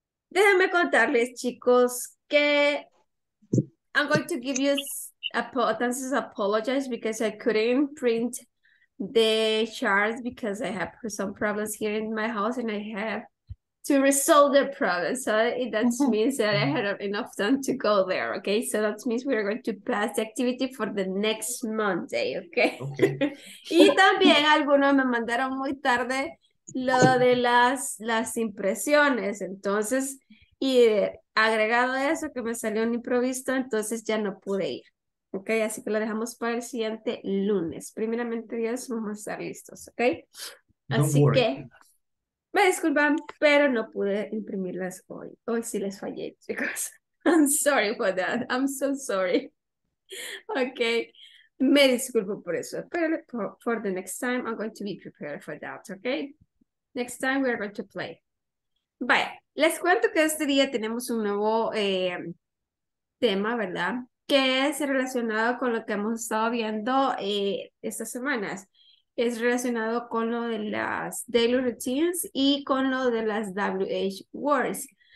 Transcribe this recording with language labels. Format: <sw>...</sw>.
<es>Déjenme contarles, chicos, que</es> <en>I'm going to give you</en> <es>entonces,</es> <en>apologize because I couldn't print the charts because I have some problems here in my house and I have to resolve the problems. So that means that I had enough time to go there, okay? So that means we are going to pass the activity for the next Monday, okay? Okay.</en> <es>Y también algunos me mandaron muy tarde lo de las impresiones, entonces, y agregado eso que me salió un imprevisto, entonces ya no pude ir. Ok, así que lo dejamos para el siguiente lunes. Primeramente, Dios, vamos a estar listos, ¿ok? Así que, me disculpan, pero no pude imprimirlas hoy. Hoy sí les fallé, chicos.</es> <en>I'm sorry for that. I'm so sorry.</en> <es>Ok, me disculpo por eso. Pero</es> <en>for the next time, I'm going to be prepared for that, ¿ok? Next time, we're going to play.</en> <es>Vaya, les cuento que este día tenemos un nuevo tema, ¿verdad? Que es relacionado con lo que hemos estado viendo estas semanas. Es relacionado con lo de las daily routines y con lo de las WH words.</es>